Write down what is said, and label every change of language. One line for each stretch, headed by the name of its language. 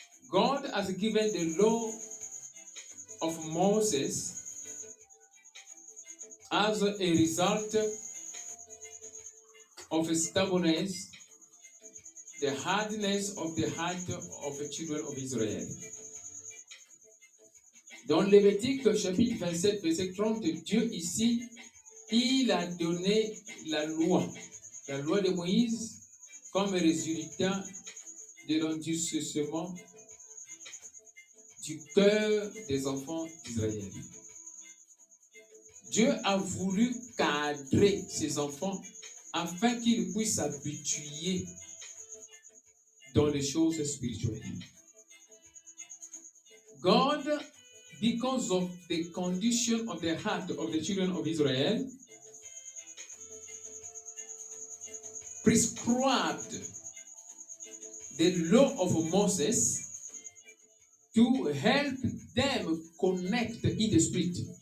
English: God has given the law of Moses as a result of stubbornness, the hardness of the heart of the children of Israel.
French: Dans Lévitique, chapitre 27, verset 30, Dieu ici, il a donné la loi de Moïse, comme résultat de l'endurcissement du cœur des enfants d'Israël. Dieu a voulu cadrer ses enfants afin qu'ils puissent s'habituer dans les choses spirituelles.
English: God, because of the condition of the heart of the children of Israel, prescribed the law of Moses to help them connect in the spirit.